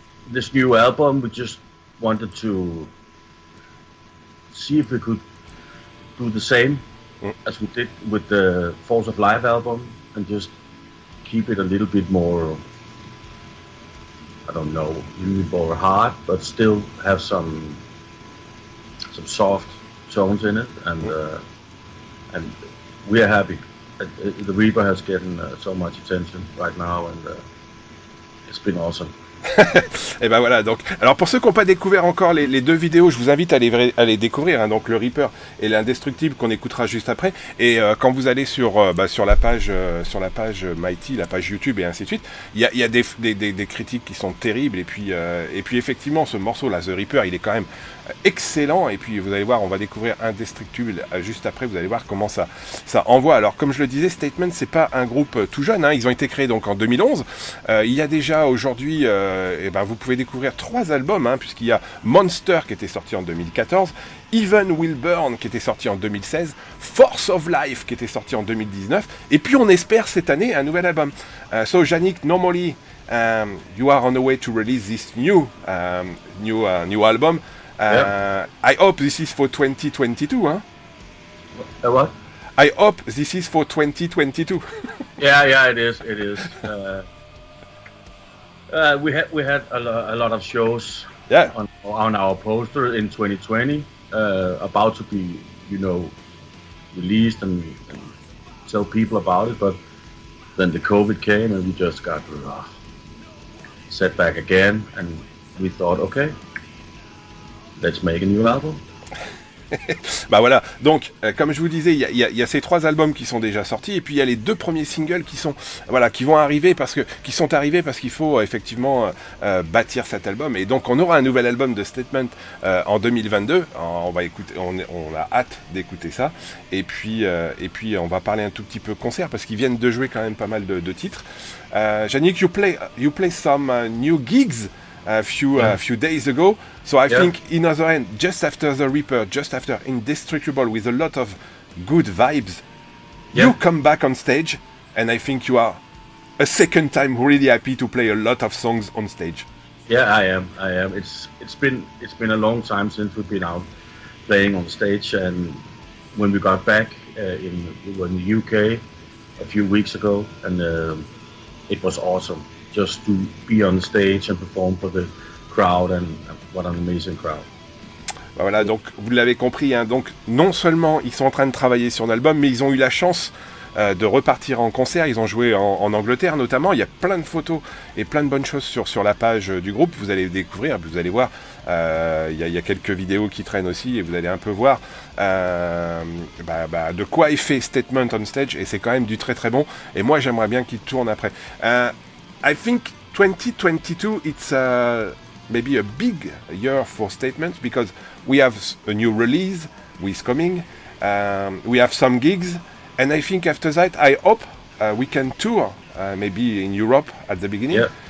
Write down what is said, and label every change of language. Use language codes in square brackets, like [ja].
[en] This new album, we just wanted to see if we could do the same as we did with the Force of Life album and just keep it a little bit more, I don't know, a little bit more hard, but still have some soft tones in it. And and we are happy. The Reaper has gotten so much attention right now, and it's been awesome. [fr] Et ben voilà, donc, alors pour ceux qui n'ont pas découvert encore les deux vidéos, je vous invite à les découvrir, hein, donc le Reaper et l'Indestructible qu'on écoutera juste après. Et quand vous allez sur la page Mighty, la page YouTube et ainsi de suite, il y a des critiques qui sont terribles. Et puis effectivement, ce morceau là, The Reaper, il est quand même excellent. Et puis vous allez voir, on va découvrir Indestructible juste après, vous allez voir comment ça envoie. Alors, comme je le disais, Statesman's, c'est pas un groupe tout jeune, hein, ils ont été créés donc en 2011. Il y a déjà aujourd'hui, vous pouvez découvrir 3 albums, hein, puisqu'il y a Monster qui était sorti en 2014, Even Will Burn qui était sorti en 2016, Force of Life qui était sorti en 2019, et puis on espère cette année un nouvel album. [en] So Yannick, normally you are on the way to release this new album. Yeah. I hope this is for 2022, hein? What? I hope this is for 2022. yeah, it is. We had a lot of shows on our poster in 2020, about to be, you know, released and tell people about it, but then the COVID came and we just got set back again, and we thought, okay, let's make a new album. [fr] Bah voilà, donc comme je vous disais, il y a ces 3 albums qui sont déjà sortis, et puis il y a les 2 premiers singles qui sont arrivés parce qu'il faut effectivement bâtir cet album. Et donc on aura un nouvel album de Statesman's en 2022. On a hâte d'écouter ça. Et puis on va parler un tout petit peu concert, parce qu'ils viennent de jouer quand même pas mal de titres. [en] Yannick, you play some new gigs a few days ago. So I think, in other end, just after The Reaper, just after Indestructible, with a lot of good vibes, you come back on stage, and I think you are a second time really happy to play a lot of songs on stage. Yeah, I am. It's been a long time since we've been out playing on stage, and when we got back, in the UK a few weeks ago, and it was awesome just to be on stage and perform for the crowd, and what an amazing crowd. [fr] Voilà, donc vous l'avez compris, hein, donc non seulement ils sont en train de travailler sur un album, mais ils ont eu la chance de repartir en concert. Ils ont joué en Angleterre notamment. Il y a plein de photos et plein de bonnes choses sur la page du groupe. Vous allez découvrir, vous allez voir, il y a quelques vidéos qui traînent aussi, et vous allez un peu voir de quoi est fait Statement on Stage, et c'est quand même du très très bon. Et moi, j'aimerais bien qu'il tourne après. [en] I think 2022, it's maybe a big year for Statement, because we have a new release who is coming, we have some gigs. And I think after that, I hope we can tour maybe in Europe at the beginning,